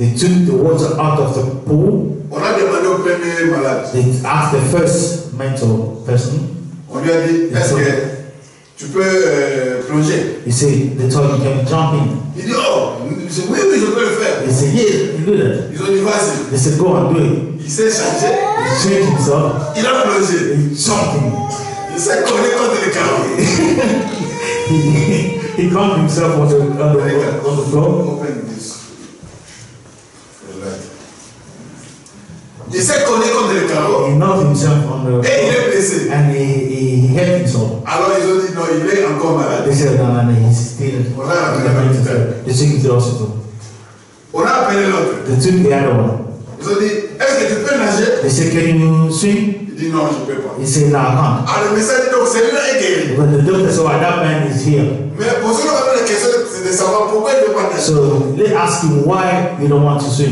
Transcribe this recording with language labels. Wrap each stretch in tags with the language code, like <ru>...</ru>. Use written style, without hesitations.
<en>They took the water out of the pool.</en> <fr>On a demandé au premier malade.</fr> <en>They asked the first mental person.</en> <fr>On lui a dit est-ce que tu peux plonger.</fr> <en>He said, they told you can jump in.</en> <fr>Il dit, oh, je sais, oui, je peux le faire.</fr> <en>He said, yeah, you do that.</en> <fr>Ils ont dit, vas-y.</fr> <en>He said, go and do it.</en> <fr>Il s'est changé.</fr> <en>He changed himself.</en> <fr>Il a plongé.</fr> <en>He jumped in.</en> <fr>Il s'est collé contre le carreau.</fr> <en>He calmed himself on the floor. Open this.</en> <fr>Il s'est collé contre le carreau.</fr> <en>He knocked himself on the</en> <fr>floor. Et il est blessé.</fr> <en>And he hurt himself.</en> <fr>Alors ils ont dit non, il est encore malade.</fr> <en>They said no, he's still.</en> <fr>On a appelé l'hôpital.</fr> <en>They took him to the hospital.</en> <fr>On a appelé l'autre.</fr> <en>They took the other one.</en> <fr>Ils ont dit est-ce que tu peux nager?</fr> <en>They said can you swim?</en> <fr>Il dit non, je ne peux pas.</fr> <en>He said no, I can't.</en> <fr>Alors le médecin dit donc celui-là est guéri.</fr> <en>But the doctor said that man is here.</en> <fr>Mais posons la question, c'est de savoir pourquoi il ne veut pas nager.</fr> <en>So they ask him why you don't want to swim.</en>